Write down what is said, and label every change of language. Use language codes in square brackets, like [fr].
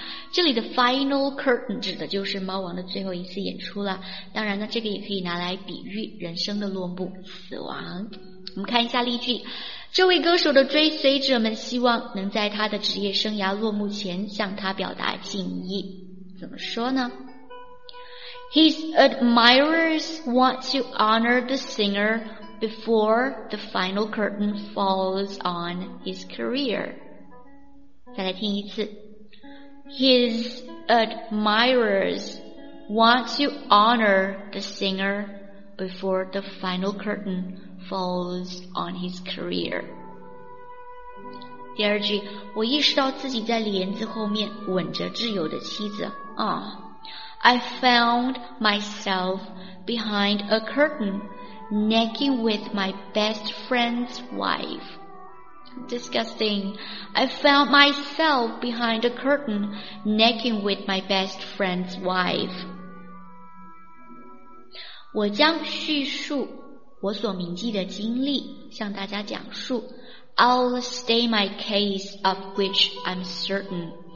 [zh] 这里的 final curtain 指的就是猫王的最后一次演出了，当然呢，这个也可以拿来比喻人生的落幕，死亡。我们看一下例句，这位歌手的追随者们希望能在他的职业生涯落幕前向他表达敬意，怎么说呢？ [en] His admirers want to honor the singer before the final curtain falls on his career. [zh] 再来听一次， [en] His admirers want to honor the singer before the final curtain falls on his career. [zh] 第二句，我意识到自己在帘子后面吻着挚友的妻子。 [en] I found myself behind a curtain, necking with my best friend's wife. Disgusting. I found myself behind a curtain, necking with my best friend's wife. [zh] 我将叙述我所铭记的经历向大家讲述。 [en] I'll state my case of which I'm certain.